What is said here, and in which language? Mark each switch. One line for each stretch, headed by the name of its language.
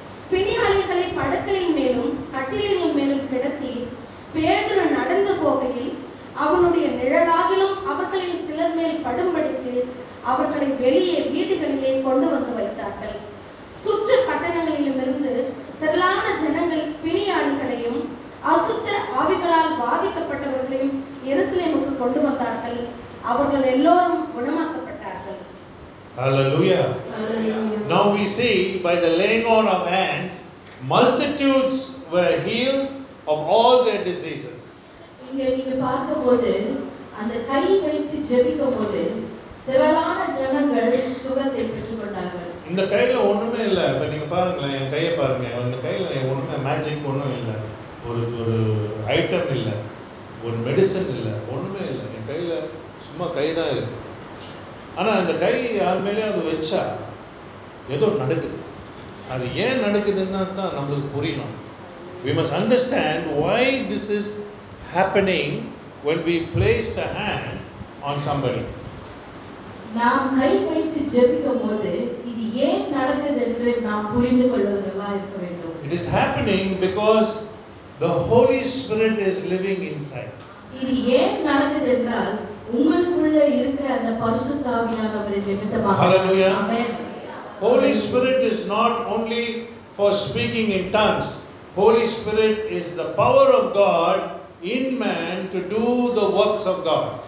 Tamil: பிணிமலைகளை படுக்கையின் மேலும் கட்டிலின் மேலும் கிடத்தி பேதுரு நடந்து போகையில் அவனுடைய நிழலாகிலும் அவர்களின் சிலர் மேல் படும்படித்து அவர்களை வெளியே வீதிகளிலே கொண்டு வந்து வைத்தார்கள். சுற்று பட்டணங்களிலிருந்து திரளான ஜனங்கள் பிணியாளிகளையும் அசுத்த ஆவிகளால் பாதிக்கப்பட்டவர்களையும் எருசலேமுக்கு கொண்டு வந்தார்கள். அவர்கள் எல்லோரும் குணமாக்கப்பட்டார்கள்.
English: Hallelujah. Now we see by the laying on of hands, multitudes were healed of all their diseases.
Tamil: இங்க பார்க்கும்போது அந்த கை வைத்து ஜெபிக்கும்போது திரளான ஜனங்கள் சுகத்தை பெற்றுக் கொண்டார்கள். இந்த கையில ஒண்ணுமே இல்ல. இப்ப நீங்க பாருங்களேன், என் கையை பாருங்க. இந்த கையில ஒண்ணுமே மேஜிக் ஒண்ணும் இல்ல, ஒரு ஒரு ஐட்டம் இல்ல, ஒரு மெடிசன் இல்ல, ஒண்ணுமே இல்ல. என் கையில சும்மா கை தான் இருக்கு. ஆனா அந்த கை யார் மேலயும் அது வச்சா ஏதோ நடக்குது. அது ஏன் நடக்குதுன்னு தான் நம்மளுக்கு புரியணும்.
English: We must understand why this is happening when we place the hand on somebody.
Tamil: நாம் கை வைத்து ஜெபிக்கும் போது இது ஏன் நடக்குது என்று நாம் புரிந்து கொள்வதற்காக இருக்க வேண்டும்.
English: It is happening because the Holy Spirit is living inside.
Tamil: இது ஏன் நடக்குது என்றால் உங்களுக்குள்ள இருக்கிற அந்த பரிசுத்த ஆவியானவர் நிமித்தமாக.
English: Hallelujah. Holy Spirit is not only for speaking in tongues. Holy Spirit is the power of God in man to do the works of God.